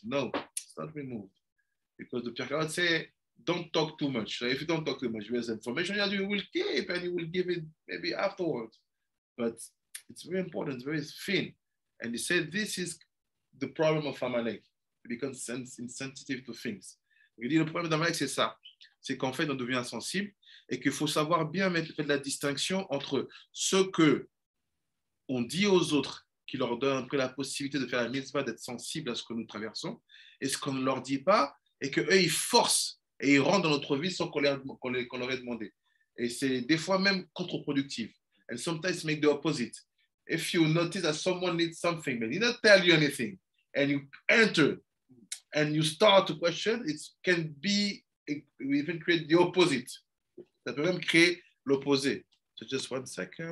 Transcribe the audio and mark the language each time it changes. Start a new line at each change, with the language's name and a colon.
English: No, it's not removed. Because the Pirkei Avot say, don't talk too much. So if you don't talk too much, there's information that you will keep and you will give it maybe afterwards. But it's very important, very thin. And he said, this is the problem of Amalek. It becomes insensitive to things.
French: Il dit, le problème d'Amalek, c'est ça. C'est qu'en fait, on devient insensible et qu'il faut savoir bien mettre la distinction entre ce que on dit aux autres qui leur donne un peu la possibilité de faire la mitzvah, d'être sensible à ce que nous traversons, et ce qu'on ne leur dit pas et qu'eux, ils forcent. Et ils rentrent dans notre vie sans qu'on leur ait demandé. Et c'est des fois même contre-productif.
English: And sometimes make the opposite. If you notice that someone needs something, but he doesn't tell you anything, and you enter, and you start to question, it can be, it even create the opposite.
French: Ça peut même créer l'opposé.
English: So just 1 second.